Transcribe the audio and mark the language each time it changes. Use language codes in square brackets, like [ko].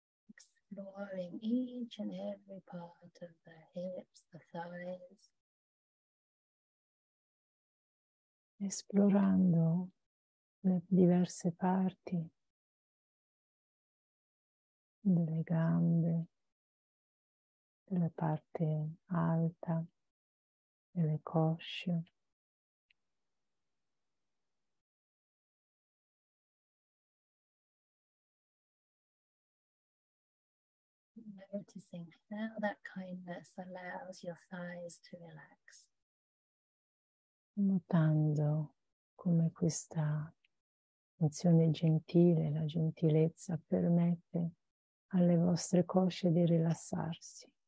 [en] Exploring each and every part of the hips, the thighs. [it] Esplorando le diverse parti delle gambe, della parte alta, delle cosce. [en] Noticing how that kindness allows your thighs to relax. [it] Notando come questa azione gentile, la gentilezza permette alle vostre cosce di rilassarsi.